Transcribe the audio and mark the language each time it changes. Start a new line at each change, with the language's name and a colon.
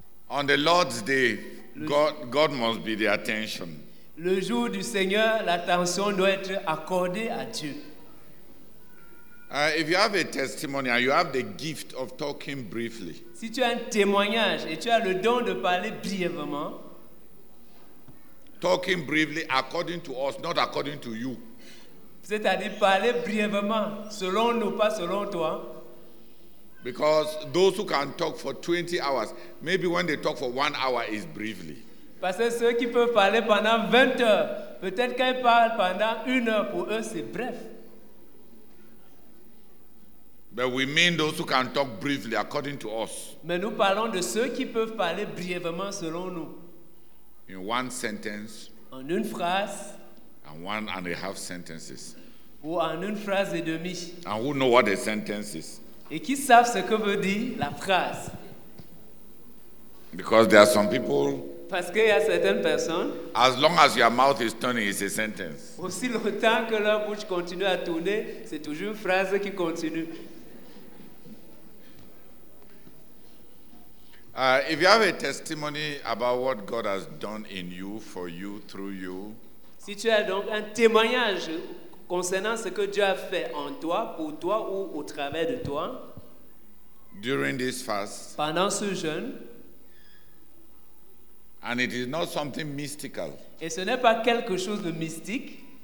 English: On the Lord's Day, God must be the attention.
French: Le jour du Seigneur, l'attention doit être accordée à Dieu.
English: If you have a testimony and you have the gift of talking briefly.
French: Si tu as un témoignage et tu as le don de parler brièvement.
English: Talking briefly according to us, not according to you.
French: C'est-à-dire parler brièvement, selon nous, pas selon toi.
English: Because those who can talk for 20 hours, maybe when they talk for 1 hour is briefly.
French: Parce que ceux qui peuvent parler pendant 20 heures, peut-être qu'ils parlent pendant 1 heure, pour eux c'est bref.
English: But we mean those who can talk briefly according to us.
French: Mais nous parlons de ceux qui peuvent parler brièvement selon nous.
English: In one sentence.
French: En une phrase.
English: And one and a half sentences.
French: Ou en une phrase et demie.
English: And who know what a sentence is?
French: Et qui savent ce que veut dire la phrase?
English: Because there are some people.
French: Parce qu'il y a certaines personnes.
English: As long as your mouth is turning, it's a sentence.
French: Aussi longtemps que leur bouche continue à tourner, c'est toujours une phrase qui continue.
English: If you have a testimony about what God has done in you, for you, through you.
French: Si tu as donc un témoignage concernant ce que Dieu a fait en toi, pour toi ou au travers de toi.
English: During this fast.
French: Pendant ce jeûne.
English: And it is not something mystical.
French: Et ce n'est pas quelque chose de mystique.